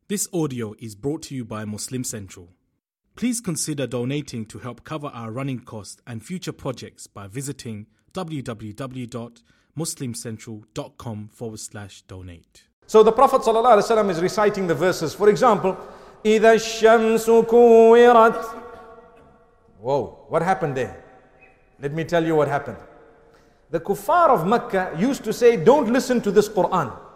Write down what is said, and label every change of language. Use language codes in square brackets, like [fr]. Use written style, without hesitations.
[en] This audio is brought to you by Muslim Central. Please consider donating to help cover our running costs and future projects by visiting www.muslimcentral.com/donate. So the Prophet ﷺ is reciting the verses. For example, [ar] إِذَا الشَّمْسُ كُوِّرَتْ. [en] Whoa, what happened there? Let me tell you what happened. The kuffar of Mecca used to say, don't listen to this Quran.